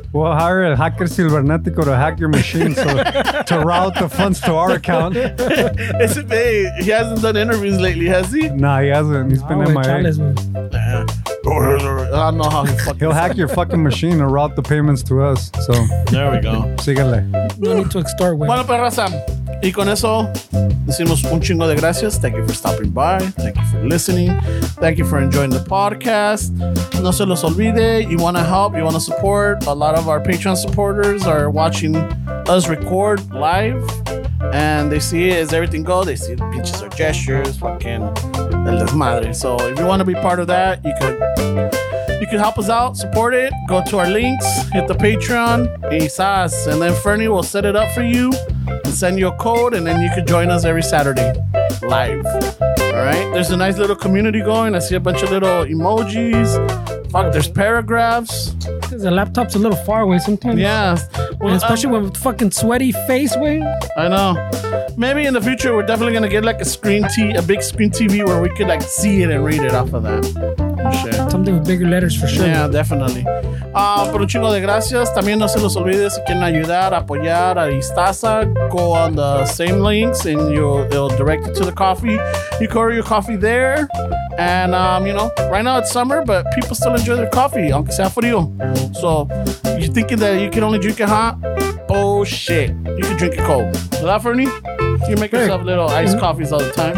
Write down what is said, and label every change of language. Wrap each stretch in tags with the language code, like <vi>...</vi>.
<en>We'll hire a hacker cybernético to hack your machine to route the funds to our account. He hasn't done interviews lately, has he? Nah, he hasn't. He's been in my head. I don't know how he fucking. He'll hack your fucking machine to route the payments to us. So there we go.</en> <es>Síguele.</es> <en>No need to extort.</en> <es>Bueno, perraza. Y con eso decimos un chingo de gracias.</es> <en>Thank you for stopping by. Thank you for listening. Thank you for enjoying the podcast. No se los olvide. You want to help. You want to support. A lot of our Patreon supporters are watching us record live. And they see it as everything goes. They see the pinches or gestures.</en> <es>Fucking el desmadre.</es> <en>So if you want to be part of that, you could help us out. Support it. Go to our links. Hit the Patreon. Quizás. And then Fernie will set it up for you. Send you a code and then you could join us every Saturday live. Alright, there's a nice little community going. I see a bunch of little emojis. Fuck, there's paragraphs. The laptop's a little far away sometimes. Yeah. Well, especially with fucking sweaty face, way. I know. Maybe in the future we're definitely gonna get like a big screen TV where we could like see it and read it off of that. Shit. Something with bigger letters for sure.</en> <es>Yeah, definitely. Por un chingo de gracias. También no se los olvide si quieren ayudar, apoyar a Istaza.</es> <en>Go on the same links and it'll direct you to the coffee. You can order your coffee there. And, you know, right now it's summer, but people still enjoy their coffee, aunque sea frío. So, you thinking that you can only drink it hot? Oh, shit. You can drink it cold. Is that for me? You make yourself little iced coffees all the time.</en>